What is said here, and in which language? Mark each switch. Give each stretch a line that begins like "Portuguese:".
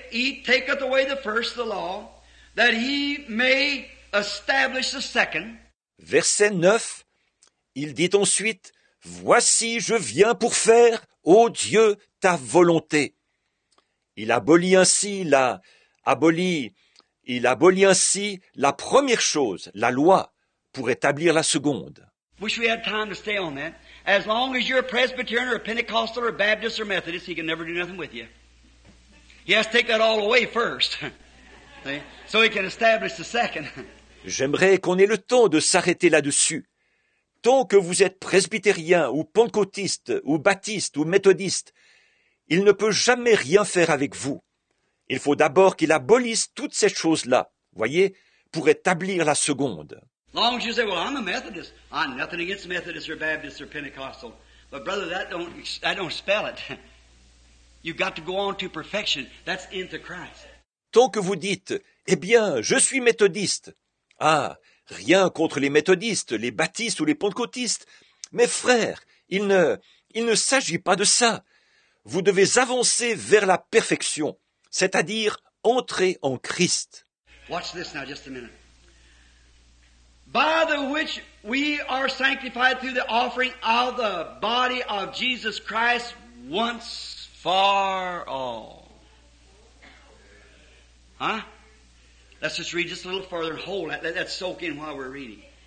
English: He taketh away the first, the law, that he may establish the second.
French: Verset 9. Il dit ensuite, Voici, je viens pour faire, ô Dieu, ta volonté. Il abolit ainsi la première chose, la loi, pour établir la seconde.
English: Wish we had time to stay on that. As long as you're a Presbyterian or a Pentecostal or a Baptist or Methodist, he can never do nothing with you. He has to take that all away first. So he can establish the second.
French: J'aimerais qu'on ait le temps de s'arrêter là-dessus. Tant que vous êtes presbytérien ou pentecôtiste ou baptiste ou méthodiste, il ne peut jamais rien faire avec vous. Il faut d'abord qu'il abolisse toutes ces choses-là, voyez, pour établir la seconde.
English: Long as you say, well, I'm a Methodist. I'm nothing against Methodist or Baptist or Pentecostal. But brother, that don't spell it. You've got to go on to perfection. That's into Christ.
French: Tant que vous dites, eh bien, je suis méthodiste. Ah, rien contre les méthodistes, les baptistes ou les pentecôtistes. Mais frère, il ne s'agit pas de ça. Vous devez avancer vers la perfection, c'est-à-dire entrer en Christ.
English: Watch this now, just a minute. By the which we are sanctified through the offering of the body of Jesus Christ once for all. Huh? Let's just read just a little further and hold that. Let that soak in while we're reading.